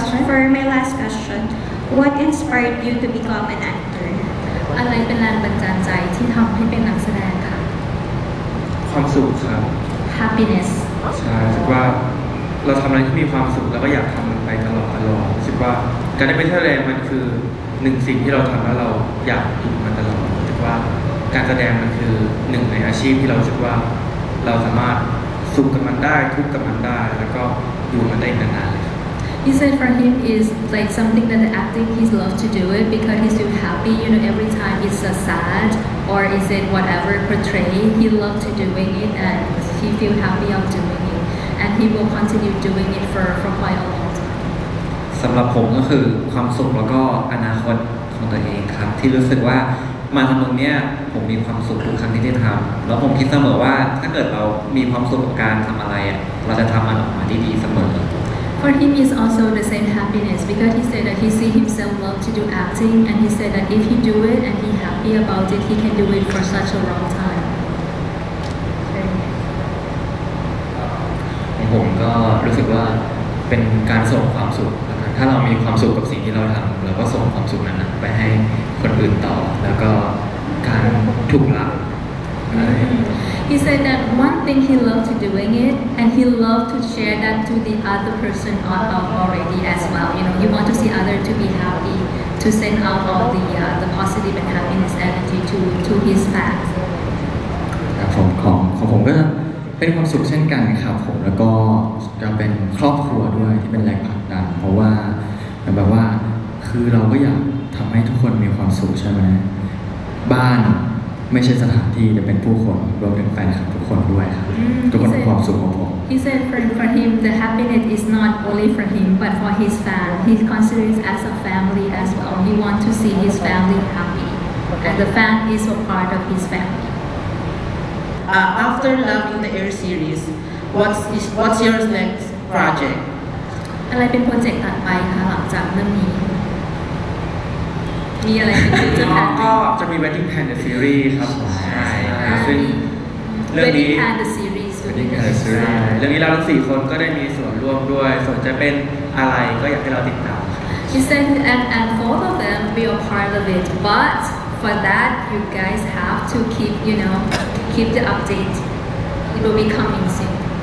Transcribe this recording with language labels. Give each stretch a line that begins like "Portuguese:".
English: For my last question, what inspired you to become an actor?
Thai: อะไรเป็นแรงบันดาลใจที่ทำให้เป็นนักแสดงคะ ความสุขครับ
English: Happiness
Thai: ใช่รู้สึกว่าเราทำอะไรที่มีความสุขแล้วก็อยากทำมันไปตลอดรู้สึกว่าการได้ไปเที่ยวแรงมันคือหนึ่งสิ่งที่เราทำแล้วเราอยากอยู่มันตลอดรู้สึกว่าการแสดงมันคือหนึ่งในอาชีพที่เรารู้สึกว่าเราสามารถสุขกับมันได้ทุกข์กับมันได้แล้วก็อยู่มันได้นาน
English: He said for him is like something that the acting he loves to do it because he's so happy, you know, every time it's a sad or is it whatever portray, he loves to doing it and he feels happy of doing it and he will continue doing it for quite a long time.
Thai: สำหรับผมก็คือความสุขแล้วก็อนาคตของตัวเองครับที่รู้สึกว่ามาทำตรงนี้ผมมีความสุขทุกครั้งที่ได้ทำแล้วผมคิดเสมอว่าถ้าเกิดเรามีความสุขกับการทำอะไรอ่ะเราจะทำมันออกมาดีๆเสมอ
English: For him is also the same happiness because he said that he see himself love to do acting and he said that if he do it and he happy about it, he can do it for such a long time. Okay.
Thai: ผมก็รู้สึกว่าเป็นการส่งความสุขนะครับถ้าเรามีความสุขกับสิ่งที่เราทำเราก็ส่งความสุขนั้นไปให้คนอื่นต่อแล้วก็การถูกรัก
English: He said that one thing he loved to doing it, and he loved to share that to the other person already as well. You know, you want to see other to be happy, to send out all the positive and happiness energy to his fans.
Thai: ของผมก็เป็นความสุขเช่นกันครับผมแล้วก็จะเป็นครอบครัวด้วยที่เป็นแรงผลักดันเพราะว่าแบบว่าคือเราก็อยากทำให้ทุกคนมีความสุขใช่ไหมบ้านไม่ใช่สถานที่จะเป็นผู้คนรวมถึงแฟนคลับทุกคนด้วยครับทุกคนความสุขของผม
English: He said for him the happiness is not only for him but for his fan he considers as a family as well he want to see his family happy and the fan is a part of his family After loving the air series what's your next project
Thai: อะไรเป็นโปรเจกต์ถัดไปคะหลังจากเรื่องนี้ ก็จะมี Wedding Pan the Series ครับ ใช่ซึ่งเรื่องนี้ Wedding Pan the Series เรื่องนี้เราทั้ง4คนก็ได้มีส่วนร่วมด้วยส่วนจะเป็นอะไรก็อยากให้เราติดตาม
English: He said and both of them be a part of it but for that you guys have to keep you know keep the update it will be coming soon